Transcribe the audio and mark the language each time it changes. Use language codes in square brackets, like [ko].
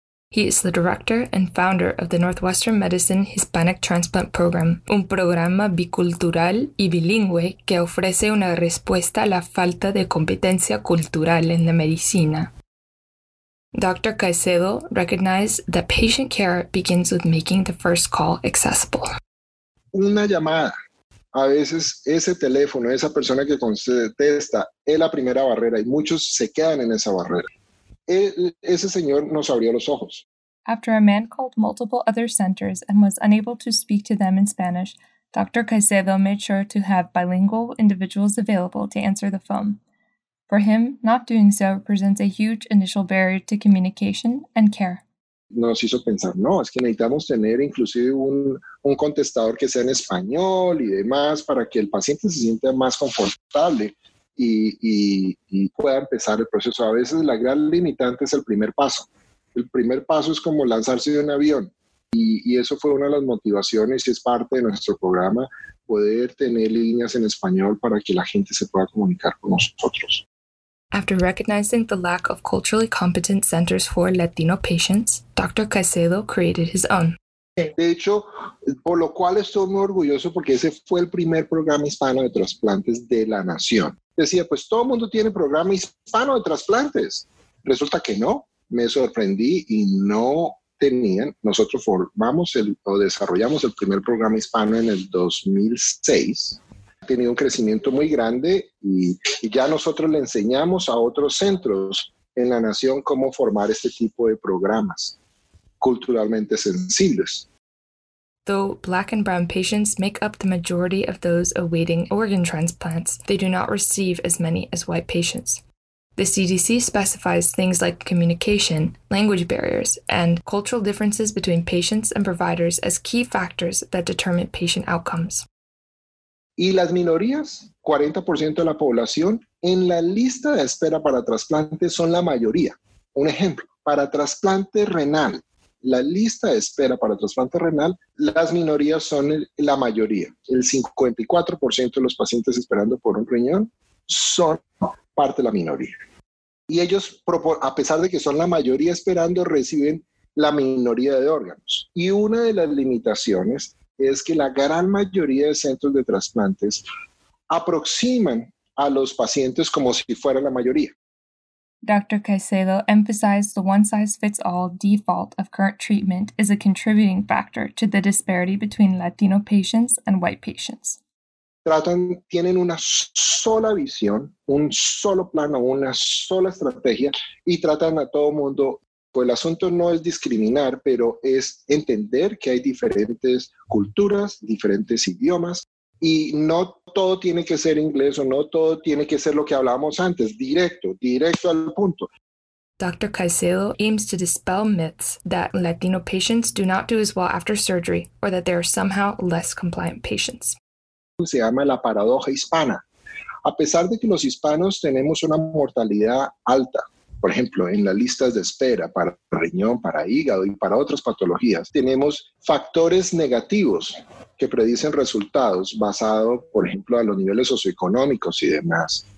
[en] He is the director and founder of the Northwestern Medicine Hispanic Transplant Program, [es] un programa bicultural y bilingüe que ofrece una respuesta a la falta de competencia cultural en la medicina. Dr. [en] Caicedo recognized that patient care begins with making the first call accessible. [es] Una llamada. A veces ese teléfono, esa persona que contesta, es la primera barrera y muchos se quedan en esa barrera. Ese señor nos abrió los ojos. [en] After a man called multiple other centers and was unable to speak to them in Spanish, Dr. Caicedo made sure to have bilingual individuals available to answer the phone. For him, not doing so presents a huge initial barrier to communication and care. [es] Nos hizo pensar, no, es que necesitamos tener inclusive un contestador que sea en español y demás para que el paciente se sienta más confortable y pueda empezar el proceso. A veces la gran limitante es el primer paso. El primer paso es como lanzarse de un avión. Y eso fue una de las motivaciones y es parte de nuestro programa, poder tener líneas en español para que la gente se pueda comunicar con nosotros. [en] After recognizing the lack of culturally competent centers for Latino patients, Dr. Caicedo created his own. [es] De hecho, por lo cual estoy muy orgulloso porque ese fue el primer programa hispano de trasplantes de la nación. Decía, pues todo el mundo tiene programa hispano de trasplantes. Resulta que no, me sorprendí y no tenían. Nosotros formamos desarrollamos el primer programa hispano en el 2006. Ha tenido un crecimiento muy grande y ya nosotros le enseñamos a otros centros en la nación cómo formar este tipo de programas culturalmente sensibles. [en] Though Black and Brown patients make up the majority of those awaiting organ transplants, they do not receive as many as white patients. The CDC specifies things like communication, language barriers, and cultural differences between patients and providers as key factors that determine patient outcomes. [es] Y las minorías, 40% de la población, en la lista de espera para trasplantes son la mayoría. Un ejemplo, para trasplante renal, la lista de espera para trasplante renal, las minorías son la mayoría. El 54% de los pacientes esperando por un riñón son parte de la minoría. Y ellos, a pesar de que son la mayoría esperando, reciben la minoría de órganos. Y una de las limitaciones es que la gran mayoría de centros de trasplantes aproximan a los pacientes como si fuera la mayoría. [en] Dr. Caicedo emphasized the one-size-fits-all default of current treatment is a contributing factor to the disparity between Latino patients and white patients. [es] Tienen una sola visión, un solo plano, una sola estrategia y tratan a todo mundo. Pues el asunto no es discriminar, pero es entender que hay diferentes culturas, diferentes idiomas y no todo tiene que ser inglés o no todo tiene que ser lo que hablábamos antes, directo al punto. [en] Dr. Caicedo aims to dispel myths that Latino patients do not do as well after surgery or that they are somehow less compliant patients. [es] Se llama la paradoja hispana. A pesar de que los hispanos tenemos una mortalidad alta, por ejemplo, en las listas de espera para riñón, para hígado y para otras patologías, tenemos factores negativos que predicen resultados basados, por ejemplo, a los niveles socioeconómicos y demás.